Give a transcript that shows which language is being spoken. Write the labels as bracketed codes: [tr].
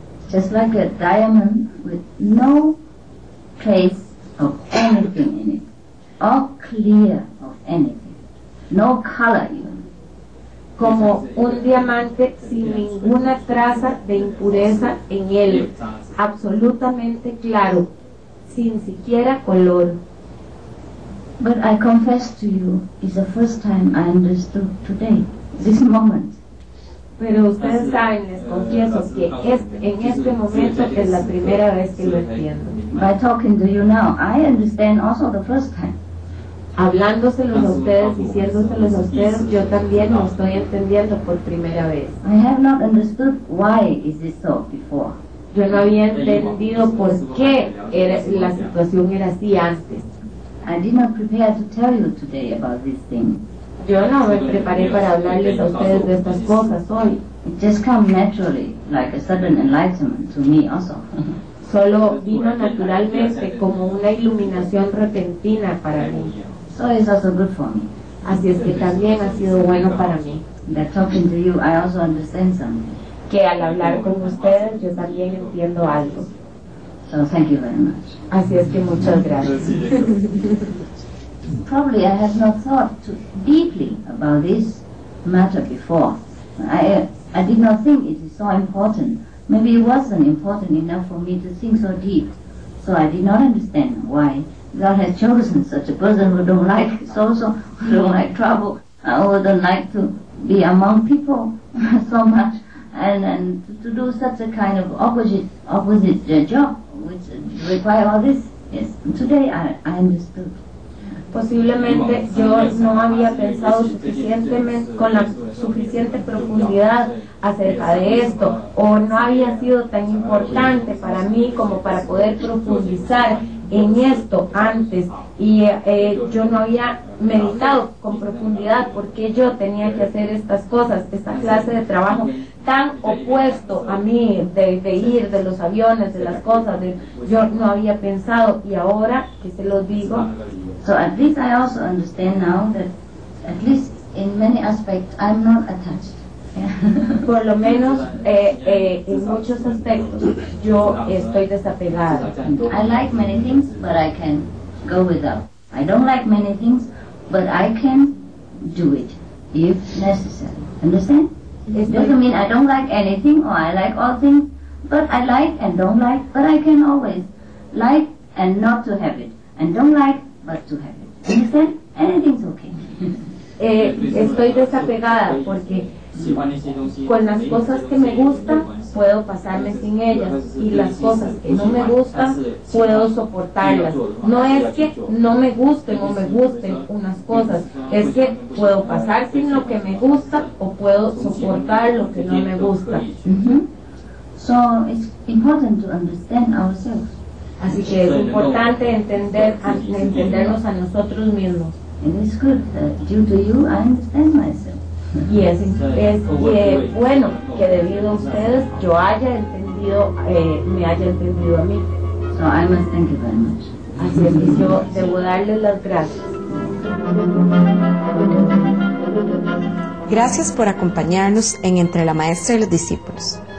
[en] Just like a diamond with no trace of anything in it, or clear of anything, no color even. [es] Como un diamante sin ninguna traza de impureza en él, absolutamente claro, sin siquiera color. [en] But I confess to you, it's the first time I understood today, this moment. [es] Pero ustedes saben, les confieso que en este momento es la primera vez que lo entiendo. [en] By talking to you now, I understand also the first time. [es] Hablándoselos a ustedes, diciéndoselos a ustedes, yo también lo estoy entendiendo por primera vez. [en] I have not understood why is this so before. [es] Yo no había entendido por qué la situación era así antes. [en] I did not prepare to tell you today about this thing. [es] Yo no me preparé para hablarles a ustedes de estas cosas hoy. [en] It just came naturally, like a sudden enlightenment to me also. [es] Solo vino naturalmente como una iluminación repentina para mí. [en] So it's also good for me. [es] Así es que también ha sido bueno para mí. [en] That talking to you, I also understand something. [es] Que al hablar con ustedes, yo también entiendo algo. [en] So thank you very much. [es] Así es que muchas gracias. [en] Probably I have not thought too deeply about this matter before. I did not think it is so important. Maybe it wasn't important enough for me to think so deep. So I did not understand why God has chosen such a person who don't like social, who don't like trouble, who don't like to be among people so much, and to do such a kind of opposite job, which require all this. Yes, today I understood. [es] Posiblemente yo no había pensado suficientemente, con la suficiente profundidad acerca de esto, o no había sido tan importante para mí como para poder profundizar en esto antes, y yo no había meditado con profundidad por qué yo tenía que hacer estas cosas, esta clase de trabajo tan opuesto a mí, de ir, de los aviones, de las cosas, yo no había pensado, y ahora que se los digo. [en] So at least I also understand now that at least in many aspects I'm not attached. [es] Por lo menos en muchos aspectos yo estoy desapegada. [en] I like many things, but I can go without. I don't like many things, but I can do it if necessary. Understand? It doesn't mean I don't like anything or I like all things, but I like and don't like, but I can always like and not to have it, and don't like but to have it. Understand? Anything's okay. [es] Estoy desapegada porque con las cosas que me gustan puedo pasarme sin ellas, y las cosas que no me gustan puedo soportarlas. No es que no me gusten o me gusten unas cosas, es que puedo pasar sin lo que me gusta o puedo soportar lo que no me gusta. [en] So it's important to understand ourselves. [es] Así que es importante entendernos a nosotros mismos. [en] And it's good that due to you I understand myself. [es] Y es bueno que debido a ustedes yo me haya entendido a mí. [en] So I must thank you very much. [es] Así es que yo debo darles las gracias. Gracias por acompañarnos en Entre la Maestra y los Discípulos.